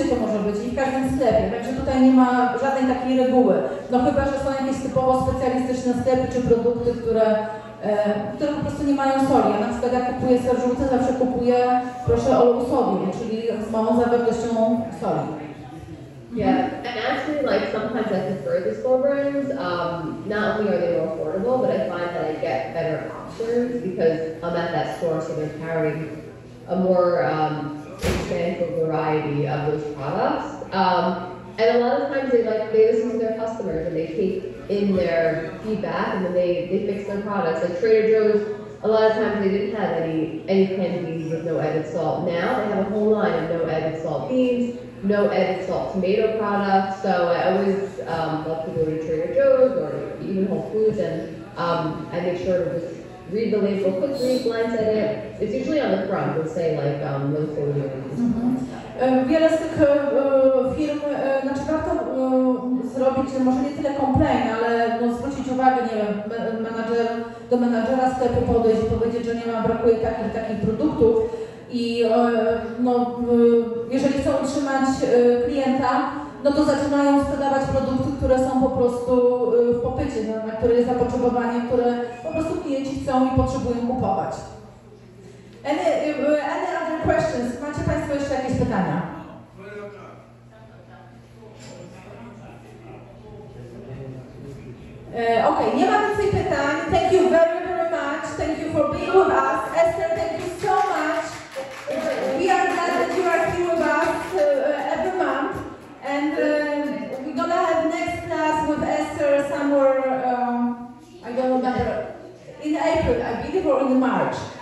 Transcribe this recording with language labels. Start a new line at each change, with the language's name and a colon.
Polish: produkcie to może być i w każdym sklepie. Także tutaj nie ma żadnej takiej reguły. No chyba, że są jakieś typowo specjalistyczne sklepy czy produkty, które po prostu nie mają soli. Ja na przykład jak kupuję ser żółty, zawsze kupuję, proszę o lukusowi, czyli z małą zawartością soli.
English: Yeah, and actually, like sometimes I prefer the store brands. Not only are they more affordable, but I find that I get better options because I'm at that store, so they're carrying a more substantial variety of those products. And a lot of times they listen to their customers and they take in their feedback and then they fix their products. Like Trader Joe's, a lot of times they didn't have any canned beans with no added salt. Now they have a whole line of no added salt beans. No added salt tomato products, so I always love to go to Trader Joe's or even Whole Foods, and I make sure to just read the label quickly, glance at it. It's usually on the front, we'll say like no sodium.
Polish: Wiele z tych firm, znaczy warto zrobić, może nie tyle complaint, ale no, zwrócić uwagę, nie wiem, do menadżera sklepu podejść i powiedzieć, że nie ma, brakuje takich produktów. I no, jeżeli chcą utrzymać klienta, no to zaczynają sprzedawać produkty, które są po prostu w popycie, na które jest zapotrzebowanie, które po prostu klienci chcą i potrzebują kupować.
English: Any other questions?
Polish: Macie Państwo jeszcze jakieś pytania? Okej, nie ma więcej pytań.
English: Thank you very, very much. Thank you for being with us. Esther, thank you so much. We are glad that you are here with us every month, and we're gonna have next class with Esther somewhere, I don't remember, in April, I believe, or in March.